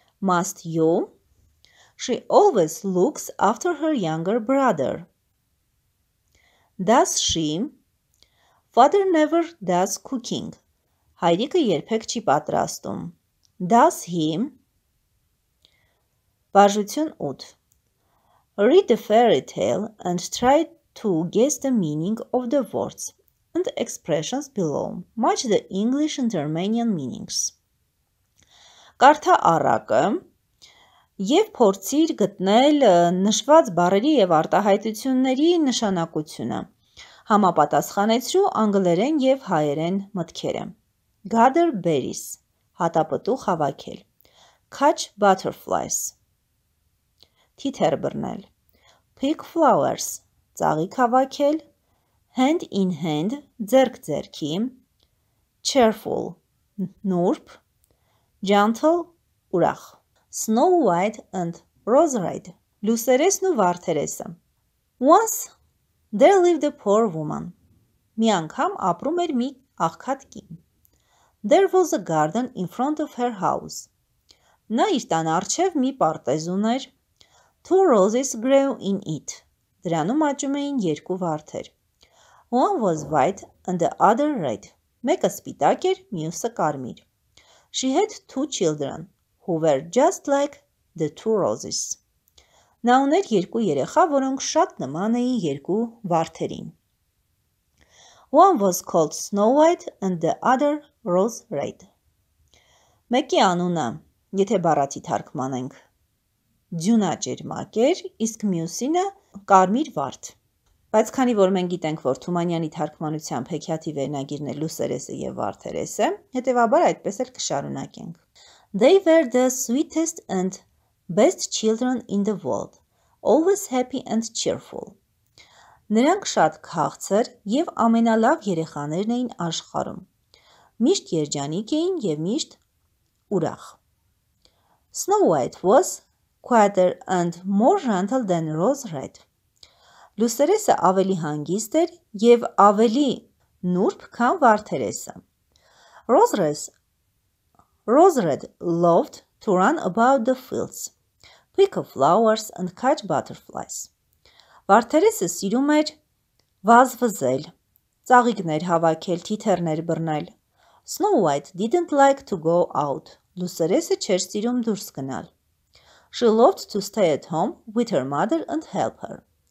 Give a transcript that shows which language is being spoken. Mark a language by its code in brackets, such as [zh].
[en] Must you? She always looks after her younger brother. Does she? Father never does cooking. [hy] Հայրիկը երբեք չի պատրաստում. [en] Does he? [hy] Բաժություն 8. [en] Read the fairy tale and try to guess the meaning of the words and expressions below. Match the English and Romanian meanings. [hy] Կարդա առակը և փորձիր գտնել նշված բառերի և արտահայտությունների նշանակությունը. Համապատասխանեցրու անգլերեն և հայերեն մտքերը. [en] Gather berries. [hy] Հատապտուղ հավաքել. [en] Catch butterflies. [hy] Թիթեր բռնել. [en] Pick flowers. [hy] Ծաղիկ հավաքել, [en] hand in hand, [hy] ձեռք-ձեռքի, cheerful, նուրբ, gentle, ուրախ, [en] snow white and rose red, [hy] լուսերեսն ու վարդերեսը. [en] Once there lived a poor woman. [hy] Մի անգամ ապրում էր մի աղքատ կին. [en] There was a garden in front of her house. [hy] Նա իր տան առջև մի պարտեզուն էր. [en] Two roses grew in it. [hy] Դրանում աճում էին երկու վարդեր. [en] One was white and the other red. [hy] Մեկը սպիտակ էր, մյուսը կարմիր. [en] She had two children who were just like the two roses. [hy] Նա ուներ երկու երեխա, որոնք շատ նման էին երկու վարդերին. [en] One was called Snow White and the other Rose Red. [hy] Մեկի անունը, եթե բառացի թարգմանենք, ձյունաճ էր մակեր, իսկ մյուսինը կարմիր վարդ։ Բայց քանի որ մենք գիտենք, որ Թումանյանի թարգմանությամբ հեքիաթի վերնագիրն է Լուսերեսը և Վարդերեսը, հետևաբար այդպես էլ կշարունակենք. [en] They were the sweetest and best children in the world, always happy and cheerful. [hy] Նրանք շատ քաղցր և ամենալավ երեխաներն էին աշխարում. Միշտ երջանիկ էին և միշտ ուրախ. [en] Snow White was quieter and more gentle than Rose Red. [hy] Լուսերեսը ավելի հանգիստ էր և ավելի նուրբ, քան Վարդերեսը. [en] Rose Red loved to run about the fields, pick up flowers and catch butterflies. [hy] Վարդերեսը սիրում էր վազվզել, ծաղիկներ հավաքել, թիթեռներ բռնել. [en] Snow White didn't like to go out. [hy] Լուսերեսը չէր սիրում դուրս գնալ. [en] She loved to stay at home with her mother and help her.